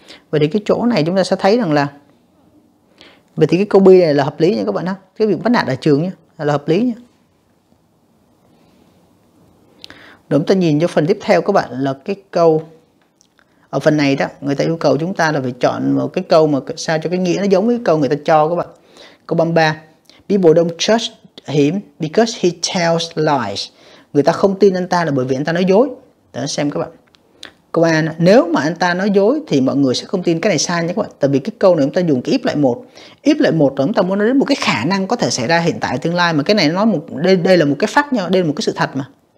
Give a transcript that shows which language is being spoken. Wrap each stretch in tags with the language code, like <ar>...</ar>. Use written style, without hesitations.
<vi>Vậy thì cái chỗ này chúng ta sẽ thấy rằng là vậy thì cái câu B này là hợp lý nha các bạn ha. Cái việc bắt nạt ở trường nha, là hợp lý nha. Chúng ta nhìn cho phần tiếp theo các bạn là cái câu ở phần này đó người ta yêu cầu chúng ta là phải chọn một cái câu mà sao cho cái nghĩa nó giống với cái câu người ta cho các bạn. Câu 33.</vi> <en>People don't trust him because he tells lies.</en> <vi>Người ta không tin anh ta là bởi vì anh ta nói dối. Để xem các bạn. Câu A này, nếu mà anh ta nói dối thì mọi người sẽ không tin, cái này sai nhé các bạn. Tại vì cái câu này chúng ta dùng cái if lại một. If lại một là chúng ta muốn nói đến một cái khả năng có thể xảy ra hiện tại tương lai. Mà cái này nó nói một đây là một cái fact nha, đây là một cái sự thật mà.</vi>